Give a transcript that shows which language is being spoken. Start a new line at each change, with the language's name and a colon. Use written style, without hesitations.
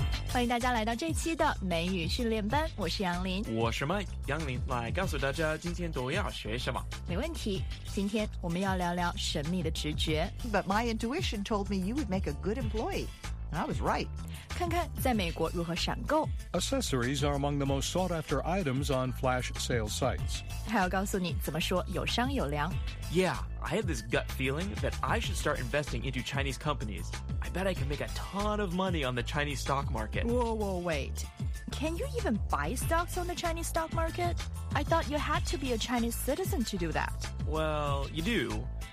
Chinese: 欢迎大家来到这期的美语训练班，我是杨林，我是 Mike 杨林，来告诉大家今天都要学什么。没问题，今天我们要聊聊神秘的直觉。
English: But my intuition told me you would make a good employee, and I was right.
Chinese: 看看在美国如何闪购。
English: Accessories are among the most sought after items on flash sale sites.
Chinese: 还要告诉你怎么说有商有量。
English: Yeah, I have this gut feeling that I should start investing into Chinese companies. I bet I can make a ton of money on the Chinese stock market. Whoa, whoa, wait. Can you even buy stocks on the Chinese stock market? I thought you had to be a Chinese citizen to do that. Well, you do.